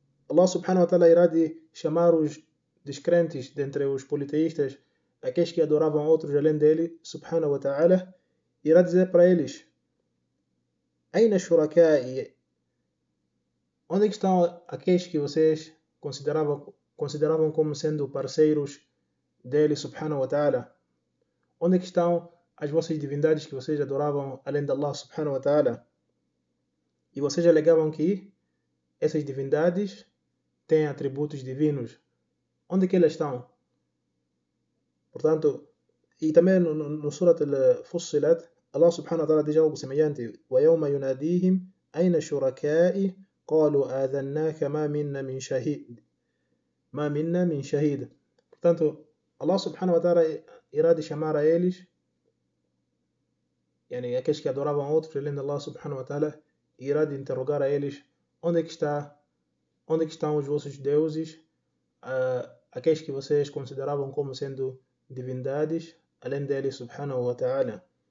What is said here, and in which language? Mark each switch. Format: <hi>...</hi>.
<pt>Allah subhanahu wa ta'ala irá de chamar os descrentes dentre os politeístas, aqueles que adoravam outros além dele subhanahu wa ta'ala, irá dizer para eles:</pt> <ar>أَيْنَ شُرَكَائِيَ,</ar> <pt>onde é que estão aqueles que vocês consideravam como sendo parceiros dele, subhanahu wa ta'ala? Onde é que estão as vossas divindades que vocês adoravam além de Allah, subhanahu wa ta'ala? E vocês alegavam que essas divindades têm atributos divinos. Onde é que elas estão? Portanto, e também no Surat al-Fussilat, Allah, subhanahu wa ta'ala, diz algo semelhante:</pt> <ar>وَيَوْمَ يُنَادِيهِمْ أَيْنَ شُرَكَائِهِ قالوا آذناك ما منا من شهيد</ar> <pt>ما منا من شهيد. Portanto, Allah subhanahu wa ta'ala irá de chamar a eles, aqueles que adoravam outros além de Allah subhanahu wa ta'ala, irá de interrogar a eles: onde é que estão os vossos deuses, aqueles que vocês consideravam como sendo divindades além dele subhanahu wa ta'ala?</pt>